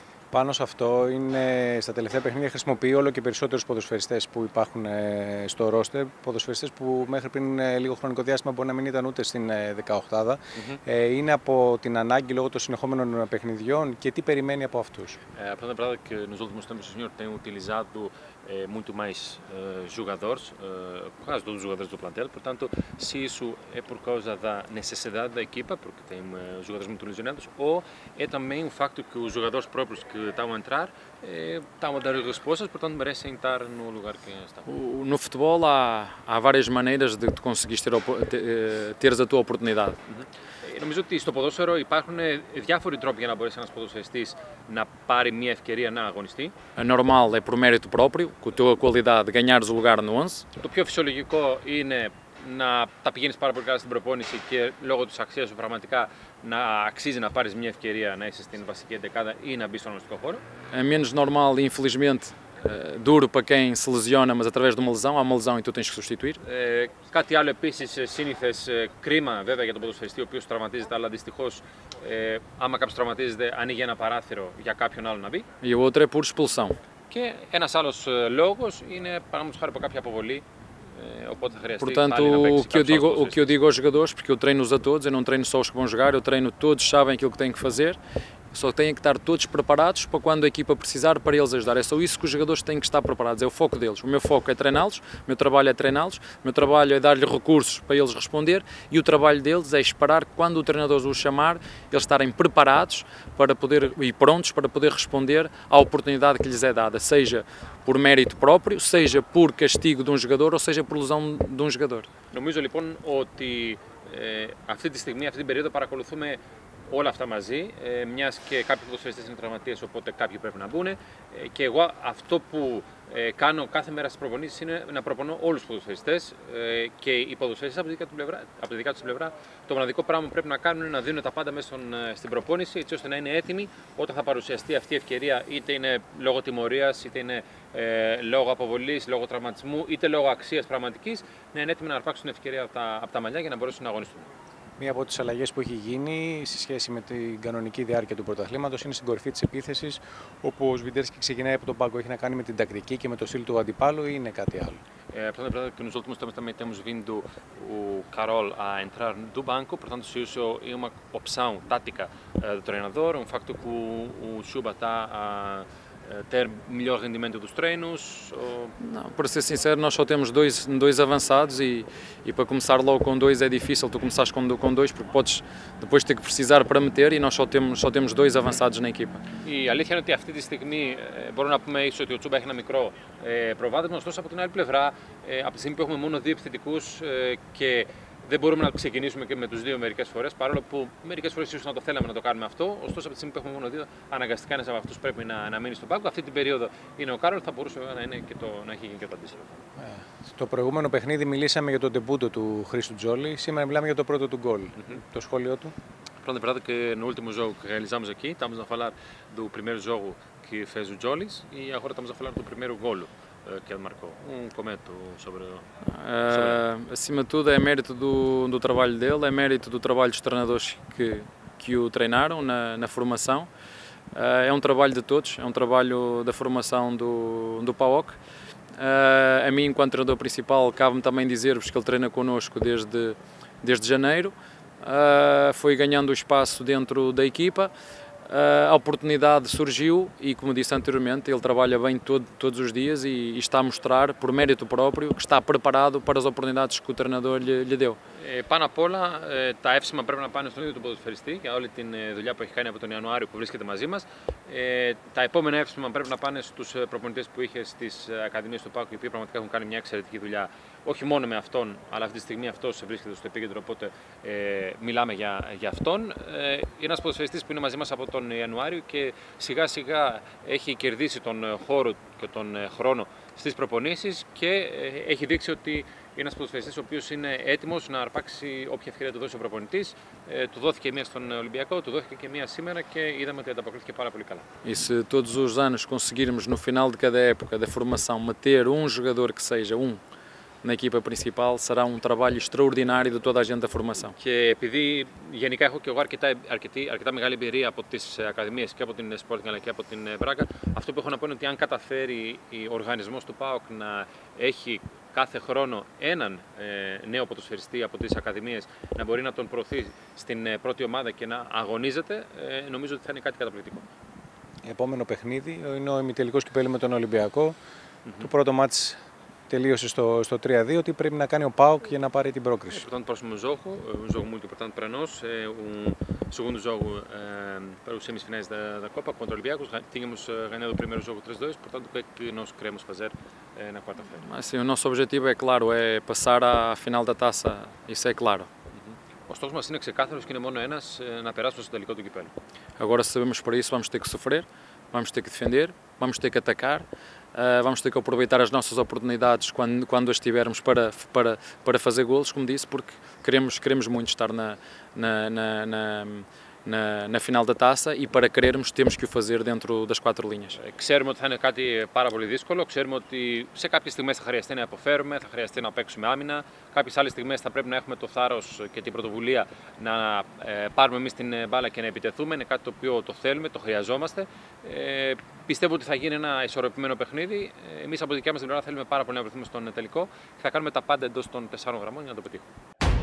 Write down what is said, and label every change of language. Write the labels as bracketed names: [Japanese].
[Greek] Πάνω σε αυτό, είναι στα τελευταία παιχνίδια χρησιμοποιεί όλο και περισσότερους ποδοσφαιριστές που υπάρχουν στο ρόστερ. Ποδοσφαιριστές που μέχρι πριν λίγο χρονικό διάστημα μπορεί να μην ήταν ούτε στην 18άδα. Είναι από την ανάγκη λόγω των συνεχόμενων παιχνιδιών και τι περιμένει από αυτούς? Από την πράγμα και [Portuguese] nos últimos tempos, o senhor tem utilizado muito mais jogadores, quase todos os jogadores do plantel. Portanto, se isso é por causa da necessidade da equipa, porque tem jogadores muito lesionados, ou é também o facto que os jogadores próprios que estão a entrar estão a dar respostas, portanto merecem estar no lugar que estão. No futebol há várias maneiras de conseguir teres a tua oportunidade. [Greek] Νομίζω ότι στο ποδόσφαιρο υπάρχουν διάφοροι τρόποι για να μπορέσει ένας ποδοσφαιριστής να πάρει μια ευκαιρία να αγωνιστεί. [Portuguese] Normal é por mérito próprio, com a tua qualidade, ganhares o lugar no 11. [Greek] Το πιο φυσιολογικό είναι να τα πηγαίνεις πάρα πολύ καλά στην προπόνηση και λόγω της αξίας σου πραγματικά να αξίζει να πάρεις μια ευκαιρία να είσαι στην βασική εντεκάδα ή να μπεις στον αγωνιστικό χώρο. [Portuguese] Menos normal, infelizmente, duro para quem se lesiona, mas através de uma lesão, há uma lesão e tu tens que substituir. [Greek] Κάτι άλλο επίσης σύνηθες, κρίμα βέβαια για τον ποδοσφαιριστή ο οποίος τραυματίζεται, αλλά δυστυχώς άμα κάποιος τραυματίζεται ανοίγει ένα παράθυρο για κάποιον άλλο να μπει. [Portuguese] E o outro é por expulsão. [Greek] Και ένας άλλος λόγος είναι παραδείγματος χάρη από κάποια αποβολή. [Portuguese] Portanto, o que eu digo aos jogadores, porque eu treino-os a todos, eu não treino só os que vão jogar, eu treino todos, sabem aquilo que têm que fazer, só têm que estar todos preparados para quando a equipa precisar para eles ajudar. É só isso que os jogadores têm que estar preparados, é o foco deles. O meu foco é treiná-los, o meu trabalho é treiná-los, o meu trabalho é dar-lhes recursos para eles responder e o trabalho deles é esperar quando o treinador os chamar, eles estarem preparados para poder, e prontos para poder responder à oportunidade que lhes é dada, seja por mérito próprio, seja por castigo de um jogador ou seja por lesão de um jogador. [Greek] Νομίζω λοιπόν ότι αυτή τη στιγμή, αυτή την περίοδο παρακολουθούμε όλα αυτά μαζί, μιας και κάποιοι ποδοσφαιριστές είναι τραυματίες, οπότε κάποιοι πρέπει να μπουν. Και εγώ αυτό που κάνω κάθε μέρα στις προπονήσεις είναι να προπονώ όλους τους ποδοσφαιριστές και οι ποδοσφαιριστές από τη δικά τους πλευρά. Το μοναδικό πράγμα που πρέπει να κάνουν είναι να δίνουν τα πάντα μέσα στην προπόνηση, έτσι ώστε να είναι έτοιμοι όταν θα παρουσιαστεί αυτή η ευκαιρία, είτε είναι λόγω τιμωρίας, είτε είναι λόγω αποβολής, λόγω τραυματισμού, είτε λόγω αξίας πραγματικής, να είναι έτοιμοι να αρπάξουν την ευκαιρία από τα μαλλιά για να μπορέσουν να αγωνιστούν. Μία από τις αλλαγές που έχει γίνει σε σχέση με την κανονική διάρκεια του πρωταθλήματος είναι στην κορυφή της επίθεσης, όπου ο Σβιντέρσκι ξεκινάει από τον πάγκο. Έχει να κάνει με την τακτική και με το στυλ του αντιπάλου ή είναι κάτι άλλο? Από την πρώτη, και [Portuguese] nos últimos temos também temos vindo o Carol a entrar do banco, portanto, se isso é uma opção tática do treinador, um facto que o Chuba está a ter melhor rendimento dos treinos? Não, para ser sincero, nós só temos dois avançados e para começar logo com dois é difícil. Tu começares com dois porque podes depois ter que precisar para meter e nós só temos dois avançados na equipa. E a verdade é que, nesta altura, posso dizer isso, que o Tsuba tem um micro provável, mas, [Greek] από την άλλη πλευρά, από τη στιγμή που έχουμε μόνο δύο επιθετικούς και δεν μπορούμε να ξεκινήσουμε και με τους δύο μερικές φορές, παρόλο που μερικές φορές ίσως να το θέλαμε να το κάνουμε αυτό. Ωστόσο, από τη στιγμή που έχουμε μόνο δύο, αναγκαστικά ένας από αυτούς πρέπει να μείνει στον πάγκο. Αυτή την περίοδο είναι ο Κάρολ, θα μπορούσε να, είναι και το, να έχει γίνει και το αντίστροφο. Στο προηγούμενο παιχνίδι μιλήσαμε για τον τεμπούντο του Χρήστου Τζόλη. Σήμερα μιλάμε για το πρώτο του γκολ. Το σχόλιο του. Πρώτα απ' όλα, και στο [Portuguese] último jogo que realizamos aqui, estamos a falar do primeiro jogo que fez o Τζόλη e agora estamos a falar do primeiro gol que ele marcou. Comento sobre... Acima de tudo é mérito do trabalho dele, é mérito do trabalho dos treinadores que o treinaram na formação. É um trabalho de todos, é um trabalho da formação do PAOK. A mim, enquanto treinador principal, cabe-me também dizer-vos que ele treina connosco desde janeiro. Foi ganhando espaço dentro da equipa. A oportunidade surgiu e, como disse anteriormente, ele trabalha bem todos os dias e está a mostrar, por mérito próprio, que está preparado para as oportunidades que o treinador lhe deu. [Greek] Πάνω απ' όλα, τα εύσημα πρέπει να πάνε στον ίδιο τον ποδοσφαιριστή για όλη την δουλειά που έχει κάνει από τον Ιανουάριο που βρίσκεται μαζί μας. Τα επόμενα εύσημα πρέπει να πάνε στους προπονητές που είχε στις Ακαδημίες του ΠΑΟΚ, οι οποίοι πραγματικά έχουν κάνει μια εξαιρετική δουλειά, όχι μόνο με αυτόν, αλλά αυτή τη στιγμή αυτός βρίσκεται στο επίκεντρο, οπότε μιλάμε για αυτόν. Ένας ποδοσφαιριστής που είναι μαζί μας από τον Ιανουάριο και σιγά σιγά έχει κερδίσει τον χώρο και τον χρόνο στις προπονήσεις και έχει δείξει ότι είναι ένας ποδοσφαιριστής ο οποίος είναι έτοιμος να αρπάξει όποια ευκαιρία του δώσει ο προπονητής. Του δόθηκε μία στον Ολυμπιακό, του δόθηκε και μία σήμερα και είδαμε ότι ανταποκρίθηκε πάρα πολύ καλά. [Portuguese] Se todos os anos conseguirmos no final de cada época da formação meter jogador que seja na equipa principal, será trabalho extraordinário de toda a gente da formação. [Greek] Και επειδή γενικά έχω και εγώ αρκετά μεγάλη εμπειρία από τις ακαδημίες και από την Sporting αλλά και από την Braga, αυτό που έχω να πω είναι ότι αν καταφέρει ο οργανισμός του ΠΑΟΚ να έχει κάθε χρόνο έναν νέο ποδοσφαιριστή από τις ακαδημίες να μπορεί να τον προωθεί στην πρώτη ομάδα και να αγωνίζεται, νομίζω ότι θα είναι κάτι καταπληκτικό. Επόμενο παιχνίδι είναι ο ημιτελικός κυπέλλου με τον Ολυμπιακό. Το πρώτο μάτς τελείωσε στο 3-2. Τι πρέπει να κάνει ο ΠΑΟΚ για να πάρει την πρόκριση? Πρώτον, πρόσφυγμα ζόχου, [Portuguese] un jogo muito importante para nós, um segundo jogo para os semifinais da Copa contra o Olympiacos. Tínhamos ganhado o primeiro jogo 3-2, portanto, o que é que nós queremos fazer na quarta-feira? Assim, o nosso objetivo é claro, é passar à final da taça, isso é claro. [Greek] Ο στόχος μας είναι ξεκάθαρος και είναι μόνο ένας, να περάσουμε στο τελικό του κυπέλλου. [Portuguese] Agora sabemos para isso vamos ter que sofrer, vamos ter que defender, vamos ter que atacar. Vamos ter que aproveitar as nossas oportunidades quando as tivermos para fazer golos, como disse, porque queremos muito estar na final da taça e para querermos temos que o fazer dentro das quatro linhas. [Greek] Ξέρουμε ότι θα είναι κάτι πάρα πολύ δύσκολο, ξέρουμε ότι σε κάποιες στιγμές θα χρειαστεί να υποφέρουμε, θα χρειαστεί να παίξουμε άμυνα, κάποιες άλλες στιγμές θα πρέπει να έχουμε το θάρρος και την πρωτοβουλία να πάρουμε εμείς την μπάλα και να επιτεθούμε, είναι κάτι το οποίο το θέλουμε, το χρειαζόμαστε. Πιστεύω ότι θα γίνει ένα ισορροπημένο παιχνίδι. Εμείς από δικιά μας την πλευρά θέλουμε πάρα πολύ να βρεθούμε στον τελικό και θα κάνουμε τα πάντα εντός των 4 γραμμών για να το πετύχουμε.